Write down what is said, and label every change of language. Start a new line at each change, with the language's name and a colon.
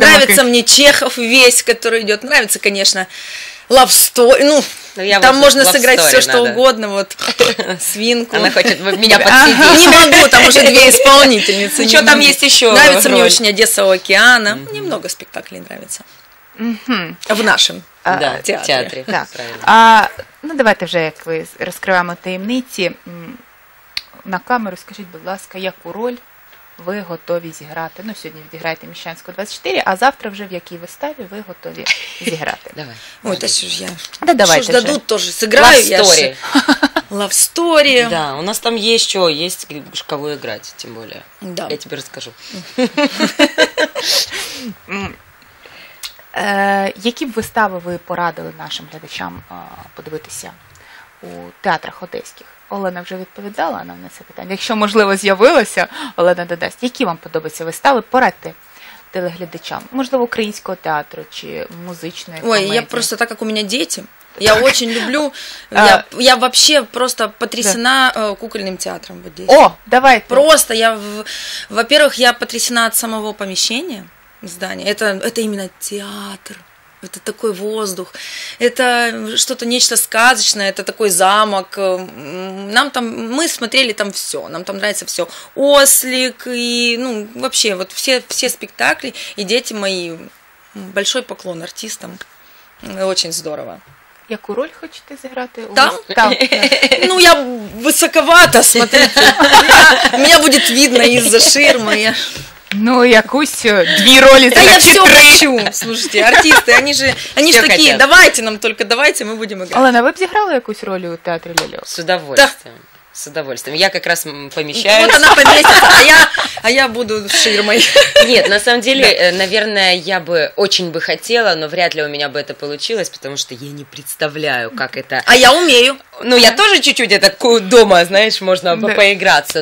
Russian: Нравится мне Чехов весь, который идет. Нравится, конечно, Love Story. Ну, там можно сыграть все, что угодно. Вот свинку. Она хочет меня подсидеть. Не могу, там уже две исполнительницы. Что там есть еще? Нравится мне очень Одесса у океана. Мне много спектаклей нравится. В нашем театрі.
Ukrainian: Ну, давайте вже, як ви розкриваємо таємниці, на камеру скажіть, будь ласка, яку роль ви готові зіграти? Ну, сьогодні відіграєте Міщанську 24, а завтра вже в якій виставі ви готові зіграти? Давай. Ой, та що ж я?
Russian: Да, давайте
Ukrainian: що ж дадуть, теж зіграю я ще.
English: Love Story.
Ukrainian: Да, у нас там є що, є кого іграти, тим більше.
Russian: Да.
Ukrainian: Я тобі розкажу. Які б вистави ви порадили нашим глядачам подивитися у театрах одеських? Олена вже відповідала нам на це питання. Якщо, можливо, з'явилося, Олена додасть. Які вам подобаються вистави? Порадьте телеглядачам. Можливо, українського театру чи музичної комедії. Ой, я просто так, як у мене діти.
Russian: Я очень люблю, я вообще просто потрясена кукольным театром в Одессе. О, давайте. Просто я, во-первых, я потрясена от самого помещения. Здание. Это именно театр. Это такой воздух. Это что-то нечто сказочное. Это такой замок. Нам там, мы смотрели там все. Нам там нравится все. Ослик и, ну, вообще, вот все спектакли. И дети мои. Большой поклон артистам. Очень здорово.
Ukrainian: Яку роль хочете зіграти? Там? У там.
Russian: Ну, я високовато, смотрите.
Ukrainian: Мене буде видно із-за ширми. Ну, якусь дві ролі,
Russian: да,
Ukrainian: значить, три. Та я все хочу, слушайте, артисти, вони ж такі, хотят. Давайте нам, тільки давайте, ми будемо грати. Олена, ви б зіграли якусь роль у театрі «Ляльок»?
Russian: З удовольствием. Да. С удовольствием. Я как раз помещаюсь. Вот она поместится, а я буду ширмой. Нет, на самом деле, да. Наверное, я бы очень бы хотела, но вряд ли у меня бы это получилось, потому что я не представляю, как это... А я умею. Ну, да. Я тоже чуть-чуть это дома, знаешь, можно да. поиграться.